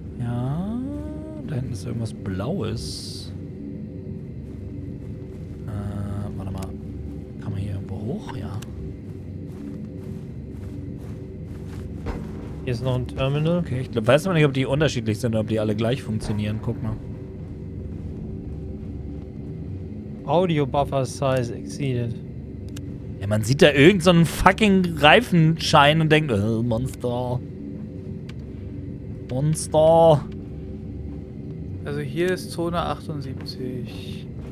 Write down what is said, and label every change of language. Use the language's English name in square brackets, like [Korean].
[German] Ja, da hinten ist irgendwas Blaues. Warte mal, kann man hier irgendwo hoch? Ja. Hier ist noch ein Terminal. Okay, ich glaub, weiß aber nicht, ob die unterschiedlich sind oder ob die alle gleich funktionieren. Guck mal. [English] Audio Buffer Size exceeded. [German] Ja, man sieht da irgendeinen fucking Reifenschein und denkt, oh, Monster. Monster. Also hier ist Zone 78.